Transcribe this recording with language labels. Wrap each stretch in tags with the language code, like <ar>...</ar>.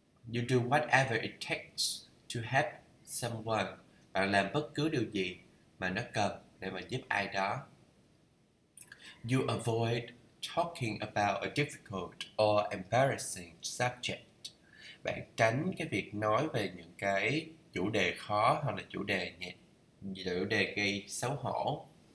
<en>You do whatever it takes to help someone.</en> <vi>Bạn làm bất cứ điều gì mà nó cần để mà giúp ai đó.</vi> <en>You avoid talking about a difficult or embarrassing subject.</en> <vi>Bạn tránh cái việc nói về những cái chủ đề khó hoặc là chủ đề nhẹ, chủ đề gây xấu hổ.</vi>